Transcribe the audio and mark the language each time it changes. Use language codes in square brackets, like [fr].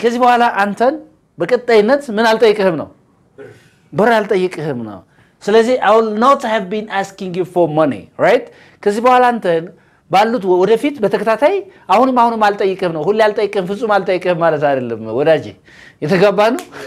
[am] ከዚህ በኋላ አንተን በቀጣይነት ምን አልጠይቅህም ነው? ብር አልጠይቅህም ነው። ስለዚህ [en] I will not have been asking you for money, right? [am] ከዚህ በኋላ አንተን ባሉት ወደፊት በተከታታይ አሁንም አልጠይቅህም ነው። ሁሌ አልጠይቅህም፣ ፍጹም አልጠይቅህም ማለት አይደለም ወዳጄ። የተገባ ነው?